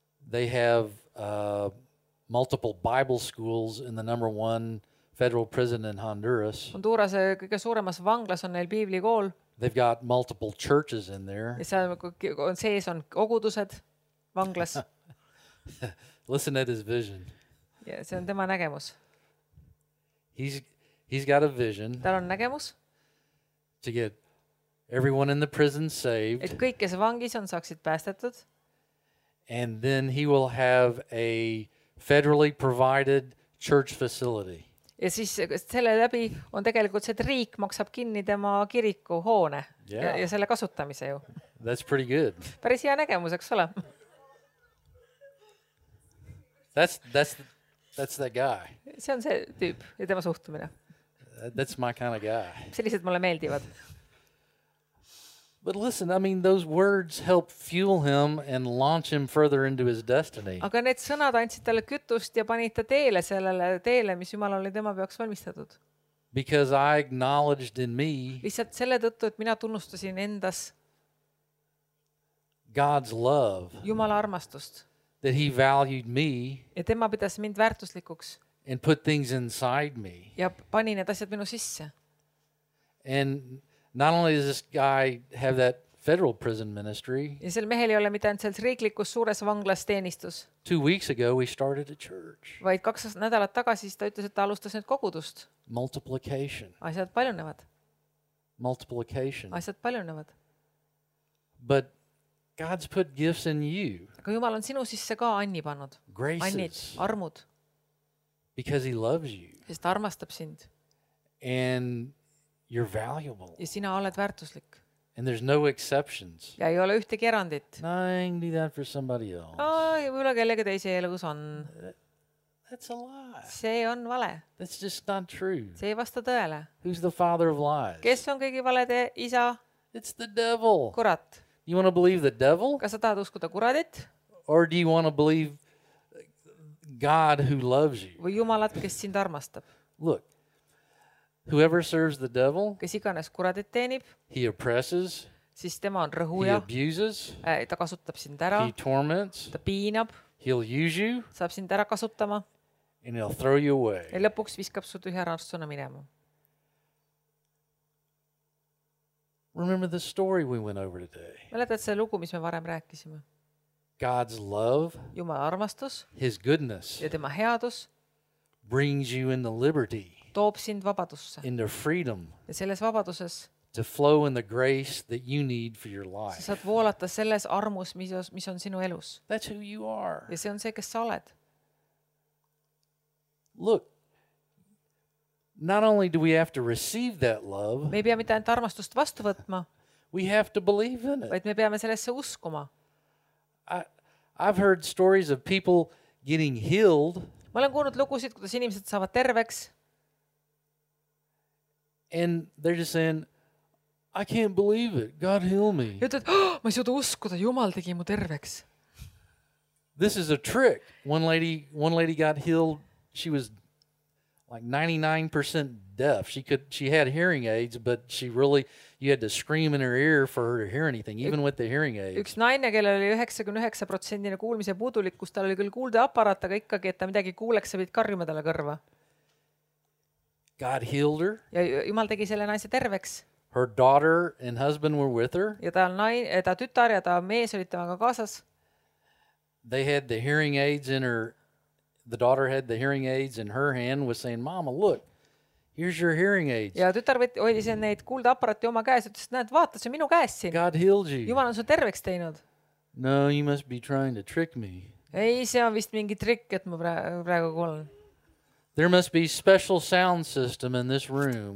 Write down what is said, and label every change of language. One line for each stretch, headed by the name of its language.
English: They have multiple Bible schools in the number one federal prison in Honduras.
Estonian: Honduras kõige suuremas vanglas on neil piivlikool.
English: They've got multiple churches in there.
Estonian: Ja seal on sees on kogudused vanglas.
English: Listen at his vision.
Estonian: Ja see on tema nägemus.
English: He's got a vision.
Estonian: Tal on nägemus.
English: To get everyone in the prison saved.
Estonian: Et kõik, kes vangis on, saaksid päästetud.
English: And then he will have a federally provided church facility.
Estonian: Ja siis selle läbi on tegelikult see, et riik maksab kinni tema kiriku hoone ja selle kasutamise ju.
English: That's pretty good.
Estonian: Päris hea nägemus, eks ole?
English: That's that guy.
Estonian: See on see tüüp ja tema suhtumine.
English: That's my kind of guy.
Estonian: Sellised mulle meeldivad.
English: But listen, I mean, those words help fuel him and launch him further into his destiny.
Estonian: Aga need sõnad andsid talle kütust ja panid ta teele sellele teele, mis Jumal oli tema peaks valmistatud.
English: Because I acknowledged in me.
Estonian: Lihtsalt selle tõttu, et mina tunnustasin endas
English: God's love.
Estonian: Jumala armastust.
English: That he valued me.
Estonian: Ja tema pidas mind väärtuslikuks.
English: And put things inside me.
Estonian: Ja pani need asjad minu sisse.
English: And not only does this guy have that federal prison ministry.
Estonian: Ja sel mehel ei ole mitte ainult selles riiklikus suures vanglas teenistus.
English: 2 weeks ago we started a church.
Estonian: Vaid kaks nädalat tagasi ta ütles, et ta alustas nüüd kogudust.
English: Multiplication.
Estonian: Asjad paljunevad.
English: Multiplication.
Estonian: Asjad paljunevad.
English: But God's put gifts in you.
Estonian: Aga Jumal on sinu sisse ka anni pannud.
English: Graces.
Estonian: Annid, armud.
English: Because he loves you.
Estonian: Sest ta armastab sind.
English: And you're valuable.
Estonian: Ja sina oled väärtuslik.
English: And there's no exceptions.
Estonian: Ja ei ole ühtegi erandit.
English: No, I can do that for somebody else.
Estonian: Oh, võib-olla kellegi teise elus on.
English: That's a lie.
Estonian: See on vale.
English: That's just not true.
Estonian: See ei vasta tõele.
English: Who's the father of lies?
Estonian: Kes on kõigi valede isa?
English: It's the devil.
Estonian: Kurat.
English: You want to believe the devil?
Estonian: Kas sa tahad uskuda kuradit?
English: Or do you want to believe God who loves you?
Estonian: Või Jumalat, kes sind armastab?
English: Look. Whoever serves the devil,
Estonian: kes iganes kuradit teenib,
English: he oppresses,
Estonian: siis tema on rõhuja,
English: he abuses,
Estonian: ta kasutab sind ära,
English: he torments,
Estonian: ta piinab,
English: he'll use you,
Estonian: saab sind ära kasutama,
English: and he'll throw you away.
Estonian: Ja lõpuks viskab su tühja raastuna minema.
English: Remember the story we went over today.
Estonian: Mäletad see lugu, mis me varem rääkisime?
English: God's love,
Estonian: Jumala armastus,
English: his goodness,
Estonian: ja tema headus,
English: brings you into liberty.
Estonian: Toob sind vabadusse.
English: In their freedom.
Estonian: Ja selles vabaduses.
English: To flow in the grace that you need for your life.
Estonian: Sa saad voolata selles armus, mis on sinu elus.
English: That's who you are.
Estonian: Ja see on see, kes sa oled.
English: Look. Not only do we have to receive that love.
Estonian: Me ei pea mitte ainult armastust vastu võtma.
English: We have to believe in it.
Estonian: Vaid me peame sellesse uskuma.
English: I've heard stories of people getting healed.
Estonian: Ma olen kuulnud lugusid, kuidas inimesed saavad terveks.
English: And they're just saying, I can't believe it. God heal me.
Estonian: Ja ütled, oh, ma ei suuda uskuda, Jumal tegi mu terveks.
English: This is a trick. One lady got healed. She was like 99% deaf. She had hearing aids, but she really, you had to scream in her ear for her to hear anything, even with the hearing aids.
Estonian: Üks naine, kellel oli 99% kuulmise puudulikkus, tal oli küll kuulde aparaat, aga ikkagi, et ta midagi kuuleks, sa pidid karjuma talle kõrva.
English: God healed her.
Estonian: Ja Jumal tegi selle naise terveks.
English: Her daughter and husband were with her.
Estonian: Ja ta tütar ja ta mees olid temaga kaasas.
English: They had the hearing aids in her, the daughter had the hearing aids in her hand, was saying, Mama, look, here's your hearing aids.
Estonian: Ja tütar hoidis neid kuulda aparati oma käes, ütles, näed, vaata, see minu käes siin.
English: God healed you.
Estonian: Jumal on su terveks teinud.
English: No, you must be trying to trick me.
Estonian: Ei, see on vist mingi trikk, et ma praegu kuulen.
English: There must be special sound system in this room.